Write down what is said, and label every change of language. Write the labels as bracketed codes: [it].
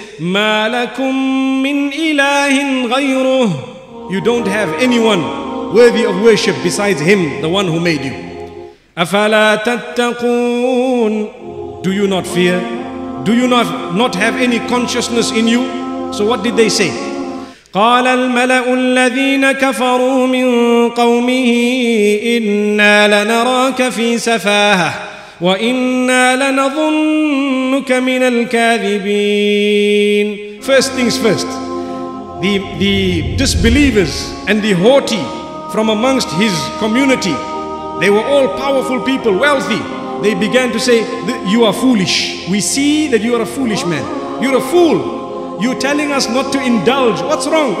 [ar] مَا لَكُم مِّنْ إِلَٰهٍ غَيْرُهُ. [en] You don't have anyone worthy of worship besides him, the one who made you. [ar] أَفَلَا تَتَّقُونَ. [en] Do you not fear? Do you not have any consciousness in you? So what did they say? [ar] قال الملأ الذين كفروا من قومه إنا لنراك في سفاهة وإنا لنظنك من الكاذبين. [en] First things first, the disbelievers and the haughty from amongst his community, they were all powerful people, wealthy. They began to say, you are foolish. We see that you are a foolish man. You're a fool. You're telling us not to indulge. What's wrong?